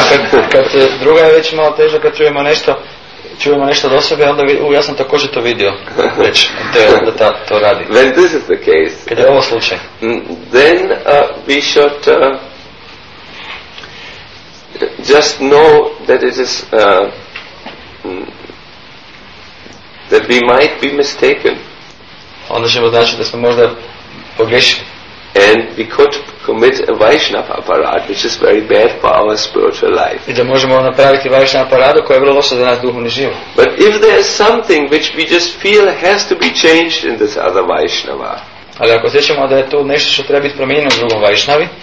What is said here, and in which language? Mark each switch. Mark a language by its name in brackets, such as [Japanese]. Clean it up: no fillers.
[Croatian] kad druga je već malo teža, kad čujemo nešto od osobe, onda ja sam također to vidio već, da ta to radi. [English] When this is the case, [Croatian] kad je ovo slučaj, [English] then we should just know that it is that we might be mistaken. [Croatian] Onda ćemo znači da smo možda pogrešili. [English] And we could commit a Vaishnava aparad, which is very bad for our spiritual life. [Croatian] I da možemo napraviti Vaishnava aparadu koja je vrlo loša za nas duhovni život. [English] But if there is something which we just feel has to be changed in this other Vaishnava. [Croatian] Ali ako osjećamo da je to nešto što treba biti promijenjeno u drugom Vaishnavi.